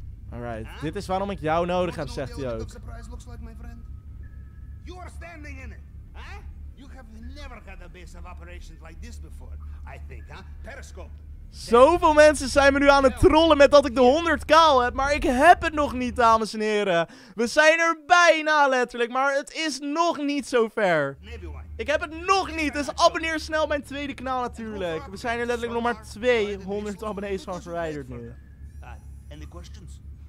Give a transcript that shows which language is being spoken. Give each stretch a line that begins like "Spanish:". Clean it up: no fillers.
English: Alright, huh?
Dutch: Dit is waarom ik jou nodig heb, zegt hij ook.
English: You are standing in it, huh? You have never had a base of operations like this before, I think, huh? Periscope.
Dutch: Zoveel mensen zijn me nu aan het trollen met dat ik de 100k al heb, maar ik heb het nog niet, dames en heren. We zijn er bijna letterlijk, maar het is nog niet zo ver. Ik heb het nog niet, dus abonneer snel mijn tweede kanaal natuurlijk. We zijn er letterlijk nog maar 200 abonnees van verwijderd nu.
English: Any questions?